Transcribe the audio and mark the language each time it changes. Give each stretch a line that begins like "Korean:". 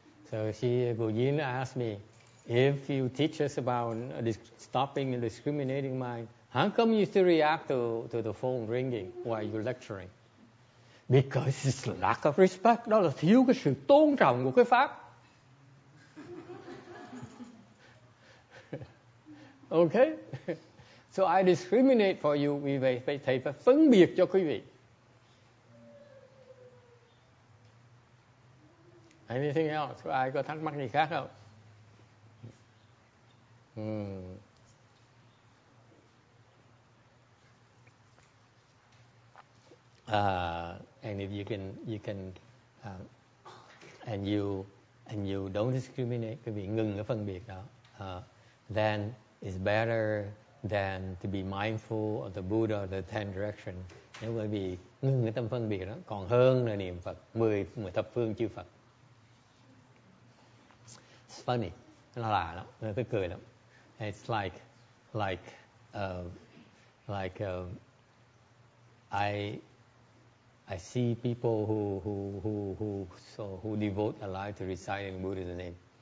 English: So she, Bujin asked me, if you teach us about stopping and discriminating mind, how come you still react to the phone ringing while you're lecturing? Because it's lack of respect,
Vietnamese: đó là thiếu cái sự tôn trọng của cái pháp.
English: Okay, so I discriminate for you.
Vietnamese: We may phải thầy phải phân biệt cho quý vị.
English: Anything else?
Vietnamese: Ai có thắc mắc gì khác không?
English: And if you can, and you don't discriminate,
Vietnamese: quý vị ngừng cái phân biệt đó,
English: then is better than to be mindful of the Buddha or the Ten Directions.
Vietnamese: Nếu bởi vì ngừng cái tâm phân biệt đó, còn hơn là niệm Phật, mười thập phương chư Phật.
English: It's funny.
Vietnamese: Nó lạ lắm. Nó tức cười lắm.
English: It's I see people who devote their life to reciting Buddha's name.